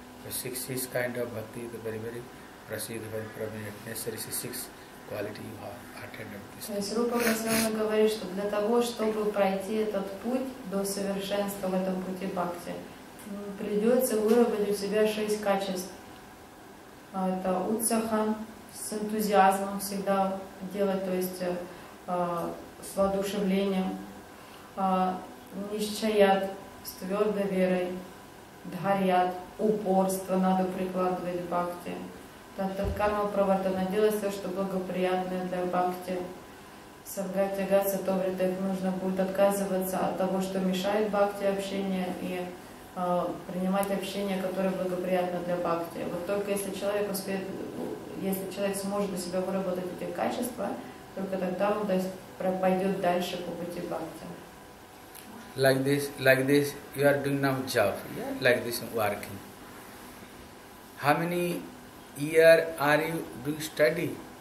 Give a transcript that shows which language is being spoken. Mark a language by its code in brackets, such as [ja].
[en] The six is kind of Bhakti, the very, very Prasiddhi, very prominent, necessary six quality you have attained at this time. [ru] Rupa Goswami говорит, что для того, чтобы пройти этот путь до совершенства в этом пути Бхакти, придется выработать у себя шесть качеств. Это Утсахан, с энтузиазмом всегда делать, то есть с воодушевлением. Нищаят, с твердой верой. Дхарят, упорство надо прикладывать в бхакти. Таткарма правартана, делать все, что благоприятное для бхакти. Сангатягат сатоврита, нужно будет отказываться от того, что мешает бхакти общения, и принимать общение, которое благоприятно для бхакти. Вот только если человек успеет, если человек сможет у себя выработать эти качества, только тогда он пойдет дальше по пути бхакти. [en] Like this, you are doing now job, yeah? Like this working. How many years are you doing study?